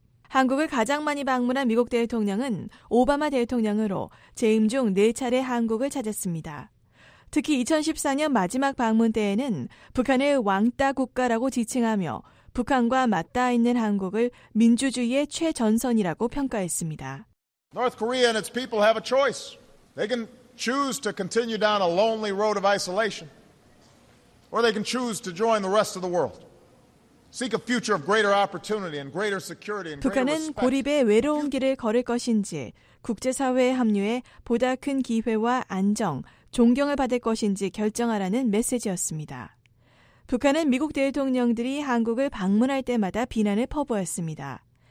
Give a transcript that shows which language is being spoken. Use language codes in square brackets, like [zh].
[ko] 한국을 가장 많이 방문한 미국 대통령은 오바마 대통령으로 재임 중 4차례 한국을 찾았습니다. 특히 2014년 마지막 방문 때에는 북한을 왕따 국가라고 지칭하며 북한과 맞닿아 있는 한국을 민주주의의 최전선이라고 평가했습니다. [en] North Korea and its people have a choice. They can choose to continue down a lonely road of isolation, or they can choose to join the rest of the world. Seek a future of greater opportunity and greater security. [ko] 북한은 고립의 외로운 길을 걸을 것인지, 국제사회에 합류해 보다 큰 기회와 안정, 존경을 받을 것인지 결정하라는 메시지였습니다. 북한은 미국 대통령들이 한국을 방문할 때마다 비난을 퍼부었습니다.